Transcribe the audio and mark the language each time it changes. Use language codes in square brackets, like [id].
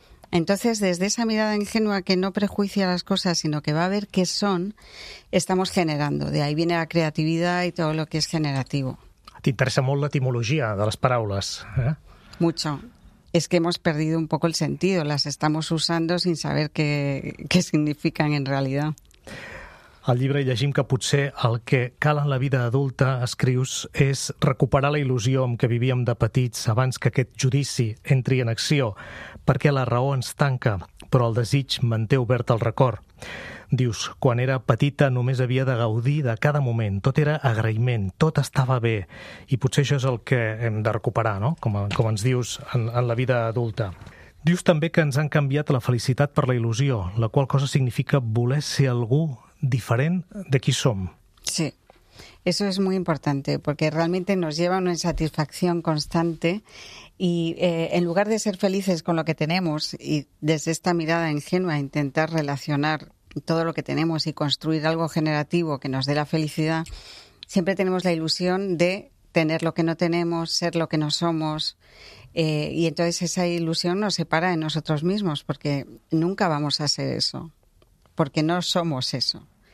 [es] Entonces, desde esa mirada ingenua que no prejuicia las cosas, sino que va a ver qué son, estamos generando. De ahí viene la creatividad y todo lo que es generativo. ¿Te interesa mucho la etimología de las palabras? Mucho. Es que hemos perdido un poco el sentido, las estamos usando sin saber qué significan en realidad. [ca] Al llibre llegim que potser el que cal en la vida adulta, escrius, és recuperar la il·lusió amb què vivíem de petits abans que aquest judici entri en acció, perquè la raó ens tanca, però el desig manté obert el record. Dius, quan era petita només havia de gaudir de cada moment, tot era agraïment, tot estava bé, i potser això és el que hem de recuperar, no? Com ens dius, en la vida adulta. Dius també que ens han canviat la felicitat per la il·lusió, la qual cosa significa voler ser algú diferent de qui som. [es] Sí, eso es muy importante, porque realmente nos lleva a una insatisfacción constante y en lugar de ser felices con lo que tenemos y desde esta mirada ingenua intentar relacionar todo lo que tenemos y construir algo generativo que nos dé la felicidad, siempre tenemos la ilusión de tener lo que no tenemos, ser lo que no somos, y entonces esa ilusión nos separa de nosotros mismos, porque nunca vamos a ser eso, porque no somos eso.